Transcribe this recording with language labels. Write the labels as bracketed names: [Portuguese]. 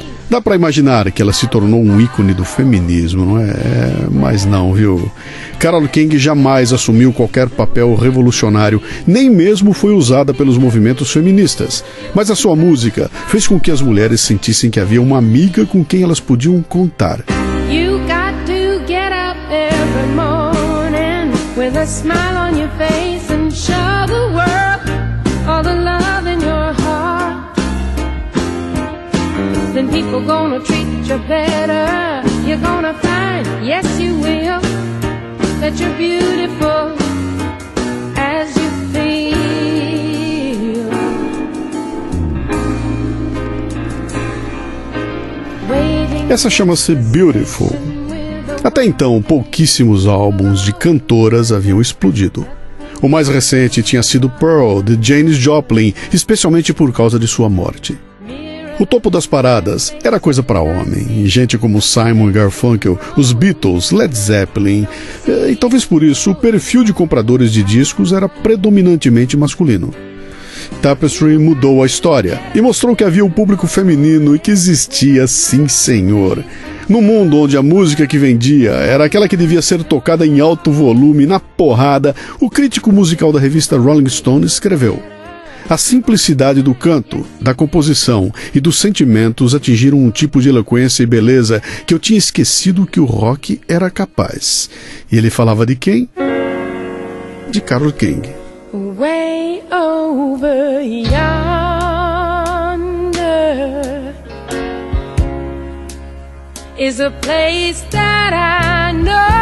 [Portuguese] Dá pra imaginar que ela se tornou um ícone do feminismo, não é? Mas não, viu? Carole King jamais assumiu qualquer papel revolucionário, nem mesmo foi usada pelos movimentos feministas. Mas a sua música fez com que as mulheres sentissem que havia uma amiga com quem elas podiam contar. [English] You got to get up every morning with a smile on your face and show the world all the love in your heart. Then people gonna treat you better. You're gonna find, yes you will, that you're beautiful as you feel. [Portuguese] Essa chama-se Beautiful. Até então, pouquíssimos álbuns de cantoras haviam explodido. O mais recente tinha sido Pearl, de Janis Joplin, especialmente por causa de sua morte. O topo das paradas era coisa para homem, gente como Simon Garfunkel, os Beatles, Led Zeppelin, e talvez por isso o perfil de compradores de discos era predominantemente masculino. Tapestry mudou a história e mostrou que havia um público feminino e que existia, sim senhor. No mundo onde a música que vendia era aquela que devia ser tocada em alto volume, na porrada, o crítico musical da revista Rolling Stone escreveu: a simplicidade do canto, da composição e dos sentimentos atingiram um tipo de eloquência e beleza que eu tinha esquecido que o rock era capaz. E ele falava de quem? De Carole King. [English] Way over yonder is a place that I know.